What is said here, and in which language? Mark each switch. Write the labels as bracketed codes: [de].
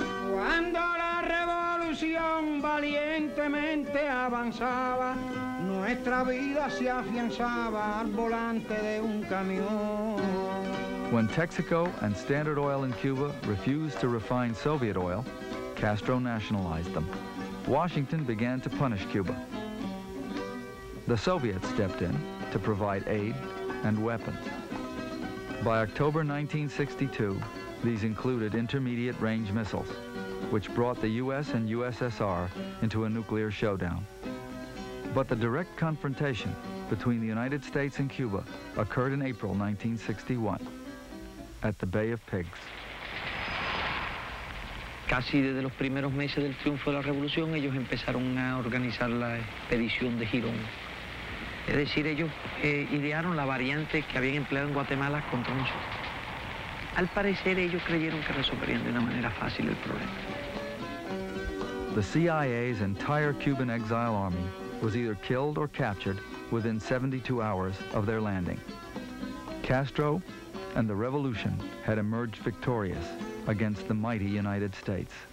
[es] Cuando la revolución valientemente avanzaba, nuestra vida se afianzaba al volante de un camión. [en] When Texaco and Standard Oil in Cuba refused to refine Soviet oil, Castro nationalized them. Washington began to punish Cuba. The Soviets stepped in to provide aid and weapons. By October 1962, these included intermediate-range missiles, which brought the U.S. and USSR into a nuclear showdown. But the direct confrontation between the United States and Cuba occurred in April 1961, at the Bay of Pigs. [es] Casi desde los primeros meses del triunfo de la revolución, ellos empezaron a organizar la expedición de Girón. Es decir, ellos idearon la variante que habían empleado en Guatemala contra nosotros. Al parecer, ellos creyeron que resolverían de una manera fácil el problema. [en] The CIA's entire Cuban exile army was either killed or captured within 72 hours of their landing. Castro and the revolution had emerged victorious against the mighty United States.